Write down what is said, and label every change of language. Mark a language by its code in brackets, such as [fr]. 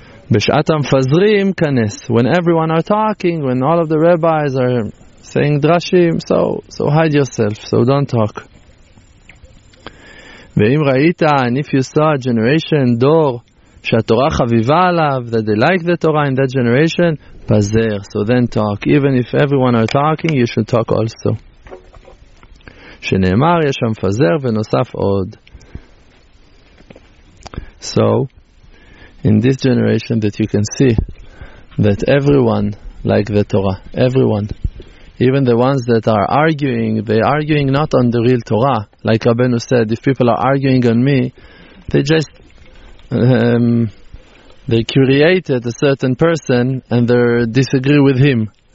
[he] Bishat HaMfazrim Kanes. [en] When everyone are talking, when all of the rabbis are saying Drashim, so hide yourself, so don't talk. [he] ואם ראית, [en] and if you saw a generation, דור, [he] שהתורה חביבה עליו, [en] that they like the Torah in that generation, פזר, so then talk. Even if everyone are talking, you should talk also. [he] שנאמר, יש שם פזר ונוסף עוד. [en] So, in this generation that you can see, that everyone like the Torah, everyone. Even the ones that are arguing, they're arguing not on the real Torah. Like Rabbeinu said, if people are arguing on me, they just they created a certain person and they disagree with him.